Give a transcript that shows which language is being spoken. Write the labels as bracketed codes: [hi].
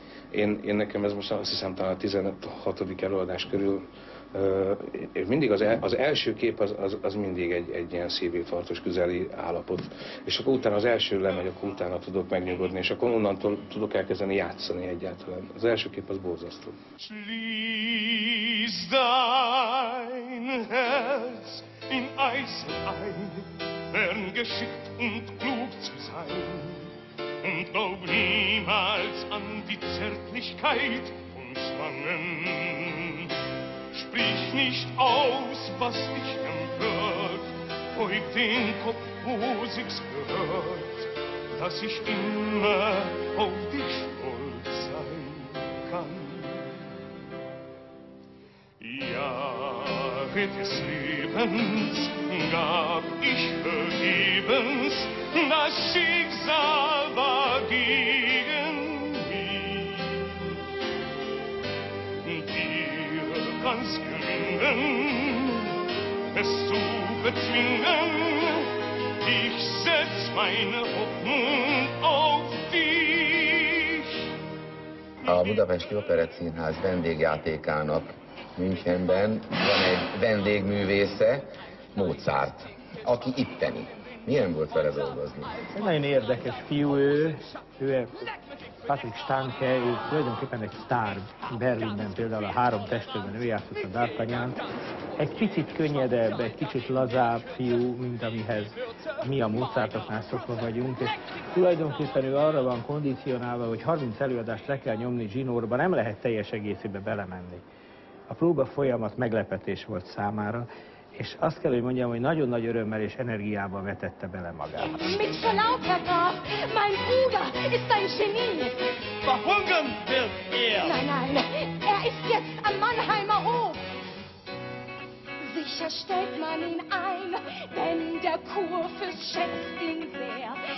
[hu] Én nekem ez most azt hiszem talán a 16. előadás körül, mindig az első kép az mindig egy ilyen szívinfarktus közeli állapot. És akkor utána az első lemegy, akkor utána tudok megnyugodni, és akkor onnantól tudok elkezdeni játszani egyáltalán. Az első kép az borzasztó. [de] Schließ dein Herz in Eis ein, wern geschickt und klug zu sein. Und glaub niemals an die Zärtlichkeit von Schlangen. Sprich nicht aus, was dich empört, beug den Kopf, wo sich's gehört, dass ich immer auf dich stolz sein kann. Jahre des Lebens gab ich vergebens, das Schicksal war gegen mich. Dir kann's gelingen, es zu bezwingen, ich setz meine Hoffnung auf dich. [hu] A Budapesti Operett Színház vendégjátékának Münchenben van egy vendégművésze, Mozart, aki itteni. Milyen volt vele dolgozni? Egy nagyon érdekes fiú ő. Ő Patrick Stanke, ő tulajdonképpen egy sztár Berlinben, például a három testőben ő játszott a D'Artagnan. Egy picit könnyedebb, egy kicsit lazább fiú, mint amihez mi a Mozartoknál szokva vagyunk. És tulajdonképpen ő arra van kondicionálva, hogy 30 előadást le kell nyomni zsinórba, nem lehet teljes egészébe belemenni. A próba folyamat meglepetés volt számára, és azt kell, hogy mondjam, hogy nagyon nagy örömmel és energiával vetette bele magát. [de] Mit verlautet a? Mein Bruder ist ein Genie. Verhungern wird er. Nein, er ist jetzt am Mannheimer Hof. Sicher stellt man ihn ein, denn der Kurfürst schätzt ihn sehr.